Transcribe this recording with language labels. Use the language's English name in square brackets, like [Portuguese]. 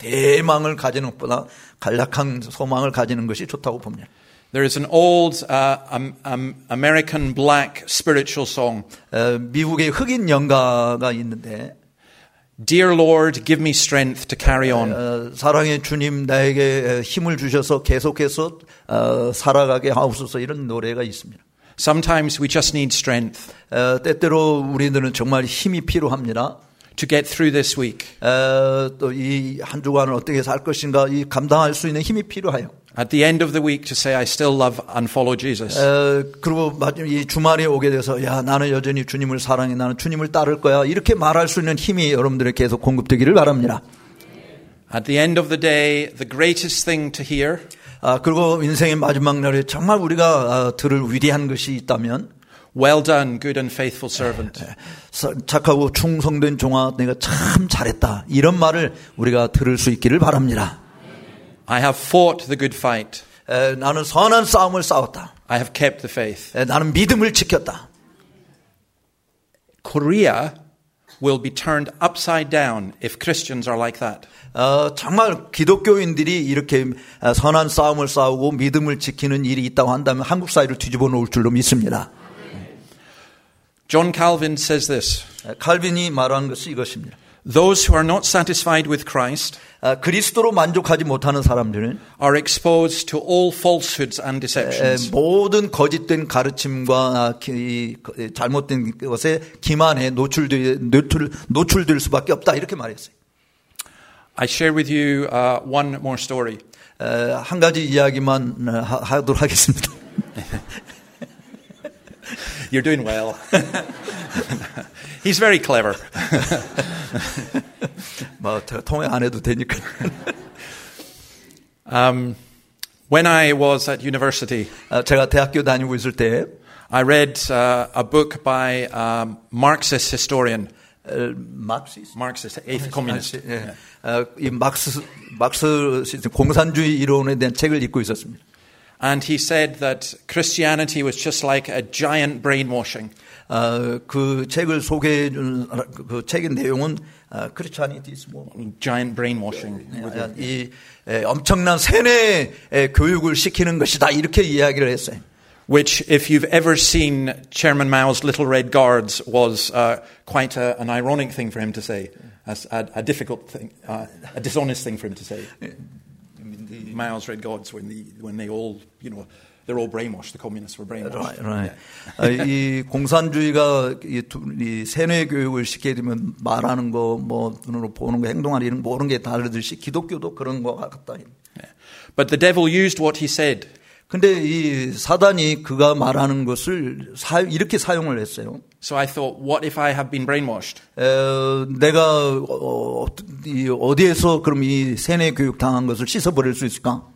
[Korean] 대망을 가지는 것보다 간략한 소망을 가지는 것이 좋다고 봅니다. [English] There is an old American black spiritual song. [Korean] 미국의 흑인 연가가 있는데, [English] Dear Lord, give me strength to carry on. [Korean] 사랑의 주님, 나에게 힘을 주셔서 계속해서 살아가게 하옵소서 이런 노래가 있습니다. [English] Sometimes we just need strength. [Korean] 때때로 우리들은 정말 힘이 필요합니다. [English] To get through this week. [Korean] 또 이 한 주간을 어떻게 살 것인가 이 감당할 수 있는 힘이 필요해요. [English] At the end of the week to say I still love and follow Jesus. [Korean] 그리고 이 주말이 오게 돼서 야 나는 여전히 주님을 사랑해 나는 주님을 따를 거야 이렇게 말할 수 있는 힘이 여러분들에게 계속 공급되기를 바랍니다. [English] At the end of the day, the greatest thing to hear. [Korean] 그리고 인생의 마지막 날에 정말 우리가 들을 위대한 것이 있다면 [English] Well done, good and faithful servant. [Korean] 착하고 충성된 종아 내가 참 잘했다. 이런 말을 우리가 들을 수 있기를 바랍니다. [English] I have fought the good fight. [Korean] 나는 선한 싸움을 싸웠다. [English] I have kept the faith. [Korean] 나는 믿음을 지켰다. [English] Korea will be turned upside down if Christians are like that. [Korean] 정말 기독교인들이 이렇게 선한 싸움을 싸우고 믿음을 지키는 일이 있다고 한다면 한국 사회를 뒤집어 놓을 줄로 믿습니다. [English] John Calvin says this. [Korean] 칼빈이 말한 것이 이것입니다. [English] Those who are not satisfied with Christ [Korean] 그리스도로 만족하지 못하는 사람들은 [English] are exposed to all falsehoods and deceptions. [Korean] 모든 거짓된 가르침과 잘못된 것에 기만해 노출될 수밖에 없다 이렇게 말했어요. [English] I share with you one more story. [Korean] 한 가지 이야기만 하도록 하겠습니다. [English] You're doing well. He's very clever. [Korean] 뭐 통해 안 해도 되니까. [English] When I was at university, [Korean] 제가 대학교 다니고 있을 때, [English] I read a book by a Marxist historian. Marxist, eighth communist. [Korean] 이 마크스 공산주의 이론에 대한 책을 읽고 있었습니다. [English] And he said that Christianity was just like a giant brainwashing. [Korean] 그 책을 소개해 준 그 책의 내용은 [English] Christianity is more giant brainwashing. [Korean] 이 엄청난 세뇌 교육을 시키는 것이다 이렇게 이야기를 했어요. [English] Which, if you've ever seen Chairman Mao's Little Red Guards, was quite an ironic thing for him to say, a difficult thing, a dishonest thing for him to say. Mao's Red Guards, when they all, you know, they're all brainwashed. The communists were brainwashed. Right, right. Yeah. [Korean] 이 공산주의가 이 세뇌 교육을 시켜 주면 말하는 거, 뭐 눈으로 보는 거, 행동하는 이런 모든 게 다르듯이 기독교도 그런 거 같다. [English] Yeah. But the devil used what he said. [Korean] 근데 이 사단이 그가 말하는 것을 이렇게 사용을 했어요. [English] So I thought, what if I have been brainwashed? [Korean] 내가 어디에서 그럼 이 세뇌 교육 당한 것을 씻어버릴 수 있을까?